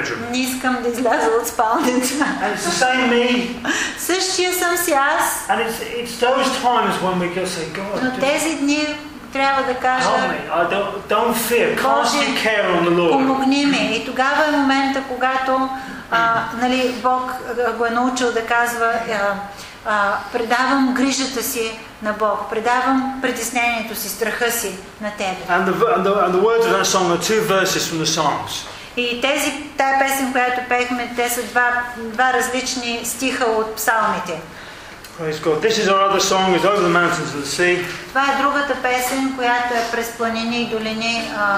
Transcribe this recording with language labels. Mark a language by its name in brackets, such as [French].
[Bulgarian] Не искам да изляза от спалнята. [English] And it's the same me. [Bulgarian] Същия съм си аз. [English] And it's those times when we just say, God. [Bulgarian] Но тези дни трябва да кажа. [English] Don't fear. Cast your care on the Lord. [Bulgarian] Помогни ми. И тогава е момента, когато Бог го е научил да казва, предавам грижата си на Бог, предавам притеснението си, страха си на Тебе. [English] And the words of that song are two verses from the Psalms. [Bulgarian] И тая песен, която пеехме, те са два различни стиха от псалмите. [English] Praise God. This is our other song, is Over the Mountains and the Sea. [Bulgarian] Това е другата песен, която е през планини и долини.